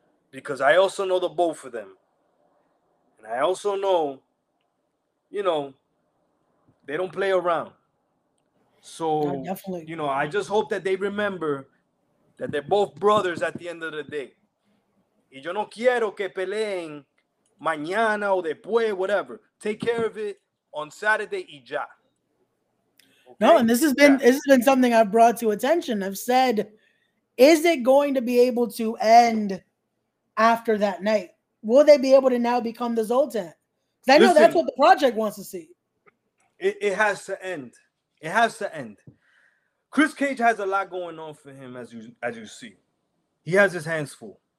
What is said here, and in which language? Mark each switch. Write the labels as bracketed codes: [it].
[en] Because I also know the both of them. And I also know, you know, they don't play around. So, you know, I just hope that they remember that they're both brothers at the end of the day. [es] Y yo no quiero que peleen mañana o después, [en] whatever. Take care of it on Saturday [es] y ya. [en] Okay? No, and this has been something I've brought to attention. I've said, is it going to be able to end after that night? Will they be able to now become the Zoltan? Because I know that's what the project wants to see. It has to end. It has to end. Chris Cage has a lot going on for him, as you see. He has his hands full.